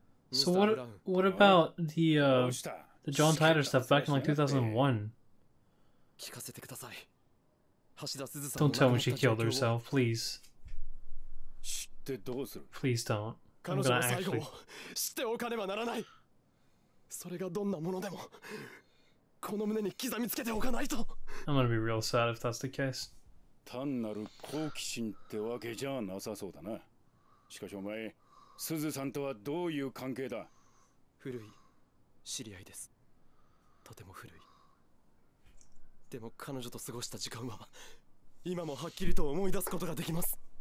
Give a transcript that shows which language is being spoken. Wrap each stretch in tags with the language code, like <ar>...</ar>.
<en>So what about the John Titor stuff back in like 2001?</en> <ja>聞かせてください。</ja> <en>Don't tell me she killed herself, please. Please don't. I'm gonna actually.</en> <ja>しておかねばならない。それがどんなものでも、この胸に刻みつけておかないと。</ja> <en>I'm gonna be real sad if that's the case.</en> <ja>単なる好奇心ってわけじゃなさそうだな。しかしお前、すずさんとはどういう関係だ。古い知り合いです。とても古い。でも彼女と過ごした時間は今もはっきりと思い出すことができます。</ja>